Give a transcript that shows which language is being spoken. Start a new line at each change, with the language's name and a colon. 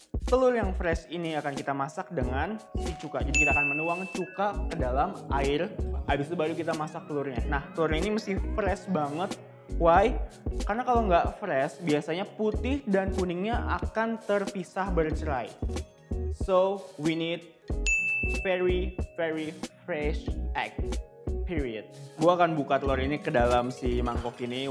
Indonesian: Telur yang fresh ini akan kita masak dengan si cuka. Jadi kita akan menuang cuka ke dalam air. Habis itu baru kita masak telurnya. Nah, telurnya ini mesti fresh banget.
English: Why?
Indonesian: Karena kalau nggak fresh, biasanya putih dan kuningnya akan terpisah bercerai.
English: So, we need very, very fresh egg. Period.
Indonesian: Gua akan buka telur ini ke dalam si mangkok ini.